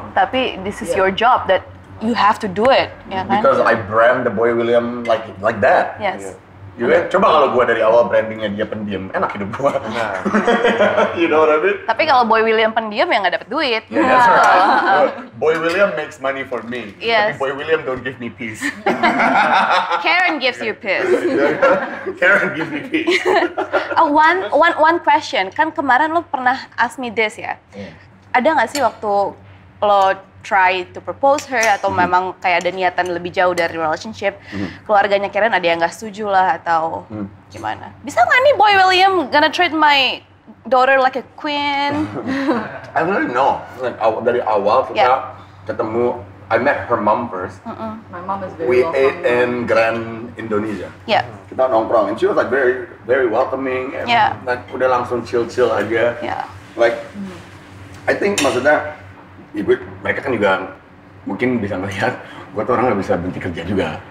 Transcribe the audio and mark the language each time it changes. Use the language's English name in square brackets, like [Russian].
[English] Tapi this is your job that you have to do it. Because I brand the boy William like that. Yes. [Indonesian] Coba kalau gue dari awal brandingnya dia pendiam, enak hidup gue. [English] You know what I mean? [Indonesian] Tapi kalau Boy William pendiam ya nggak dapet duit. [English] Yeah, that's right. Boy William makes money for me. Yes. Tapi Boy William don't give me peace. Karen gives you peace. Karen gives me peace. one question. [Indonesian] Kan kemarin lo pernah [English] ask me this [Indonesian] ya. Ada nggak sih waktu lo [English] try to propose her [Indonesian] atau memang kayak ada niatan lebih jauh dari relationship, keluarganya Karen ada yang gak setuju lah atau gimana? Bisa gak nih [English] Boy William gonna treat my daughter like a queen? I don't really know. [Indonesian] Dari awal kita ketemu, [English] I met her mom first. My mom is very welcoming. We ate in Grand Indonesia. [Indonesian] Kita nongkrong [English] and she was like very very welcoming and like [Indonesian] udah langsung chill-chill aja. [English] I think [Indonesian] maksudnya ibu, mereka kan juga mungkin bisa ngeliat, gue tuh orang gak bisa berhenti kerja juga.